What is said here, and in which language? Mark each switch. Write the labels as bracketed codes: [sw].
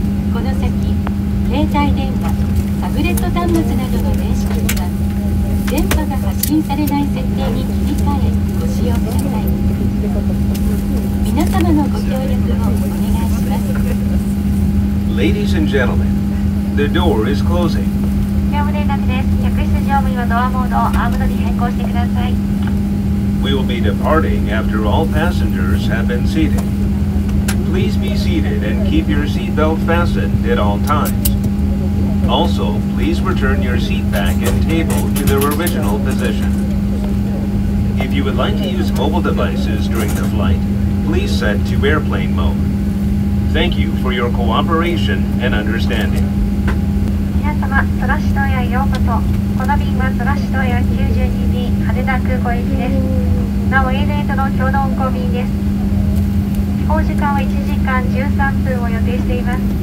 [ja] この先、携帯電話、タブレット端末などの電子機器は電波が発信されない設定に切り替えご使用ください。皆様のご協力をお願いします。 [en] Ladies and gentlemen, the door is closing. [ja] 業務連絡です。客室乗務員はドアモードをアームドに変更してください。 [en] We will be departing after all passengers have been seated. Please be seated and keep your seatbelt fastened at all times. Also, please return your seat back and table to their original position. If you would like to use mobile devices during the flight, please set to airplane mode. Thank you for your cooperation and understanding. [ja] 皆様、ソラシドエアようこそ。この便はソラシドエア 92B 羽田空港行きです。なお、ANA との共同運航便です。飛行時間は1時間13分を予定しています。